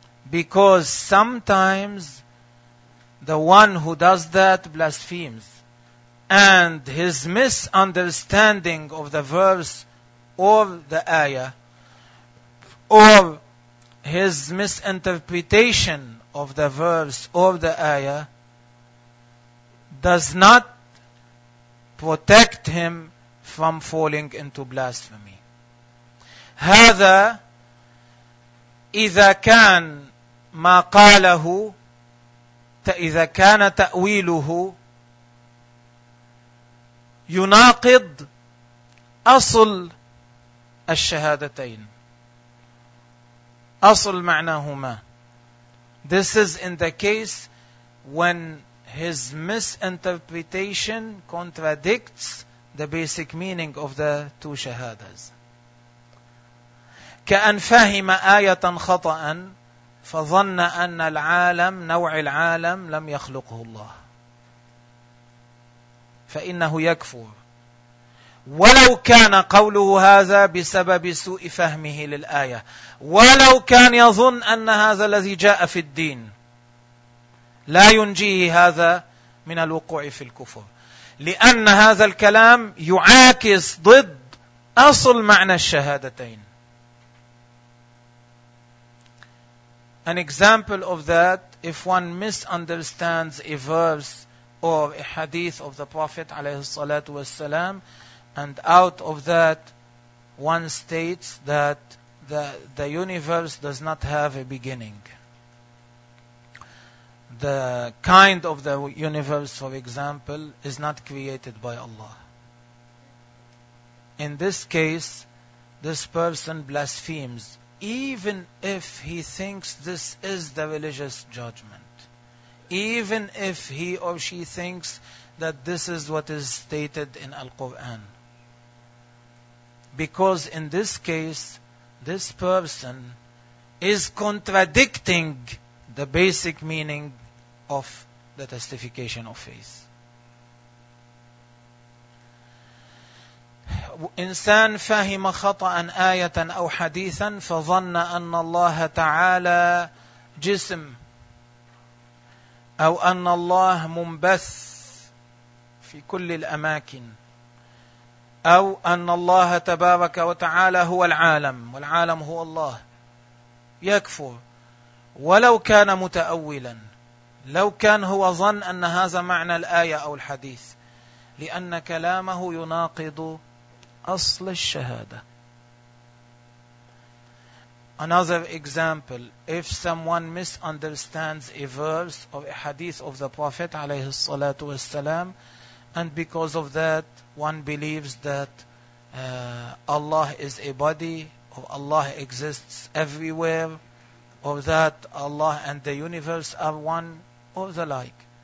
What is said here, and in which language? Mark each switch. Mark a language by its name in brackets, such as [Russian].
[English] Because sometimes the one who does that blasphemes, and his misunderstanding of the verse or the ayah or his misinterpretation of the verse or the ayah does not protect him from falling into blasphemy. [Arabic] هذا إذا كان ما قاله إذا كان تأويله يناقض أصل الشهادتين أصل معناهما. [English] This is in the case when his misinterpretation contradicts the basic meaning of the two shahadas. [Arabic] كأن فهم آية خطأ فظن أن العالم نوع العالم لم يخلقه الله فإنه يكفر ولو كان قوله هذا بسبب سوء فهمه للآية ولو كان يظن أن هذا الذي جاء في الدين لا ينجيه هذا من الوقوع في الكفر لأن هذا الكلام يعاكس ضد أصل معنى الشهادتين. [English] An example of that, if one misunderstands a verse or a hadith of the Prophet [Arabic] عليه الصلاة والسلام, [English] and out of that one states that the universe does not have a beginning. The kind of the universe, for example, is not created by Allah. In this case, this person blasphemes, even if he thinks this is the religious judgment. Even if he or she thinks that this is what is stated in Al-Quran. Because in this case, this person is contradicting the basic meaning of the testification of faith. [Arabic] إنسان فهم خطأ آية أو حديثا فظن أن الله تعالى جسم أو أن الله منبث في كل الأماكن أو أن الله تبارك وتعالى هو العالم والعالم هو الله يكفر ولو كان متأولا لو كان هو ظن أن هذا معنى الآية أو الحديث لأن كلامه يناقض أصل الشهادة. [English] Another example, if someone misunderstands a verse or a hadith of the Prophet [Arabic] عليه الصلاة والسلام, [English] and because of that one believes that Allah is a body, or Allah exists everywhere, or that Allah and the universe are one, or the like.